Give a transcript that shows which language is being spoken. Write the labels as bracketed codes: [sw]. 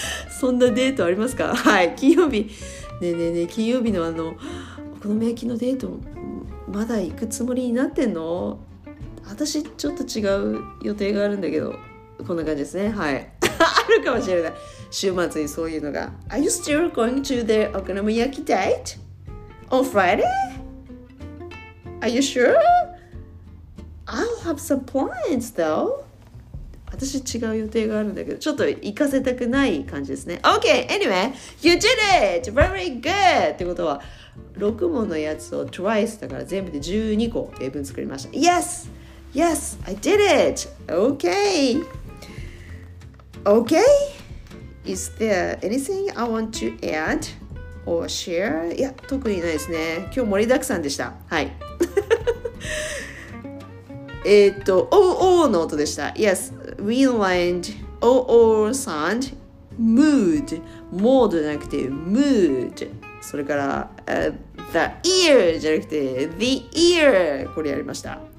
[ja] そんなデートありますか？はい、金曜日。ねえねえねえ、金曜日のあのお好み焼きのデート、まだ行くつもりになってんの？私ちょっと違う予定があるんだけど、こんな感じですね。はい、あるかもしれない、週末にそういうのが。 [en] Are you still going to the okonomiyaki date on Friday? Are you sure? I'll have some plans though. [ja] 私違う予定があるんだけど、ちょっと行かせたくない感じですね。 [en] OK, anyway, you did it! Very good! [ja] ってことは6問のやつを twice だから全部で12個英文作りました。 [en] YesYes, I did it! Okay! Okay? Is there anything I want to add or share? [ja] いや、特にないですね。今日盛りだくさんでした。はい。 OO の音でした。 [en] Yes, we learned OO sound, mood, mode じゃなくて mood。 [ja] それから、 [en] the ear [ja] じゃなくて the ear。これやりました。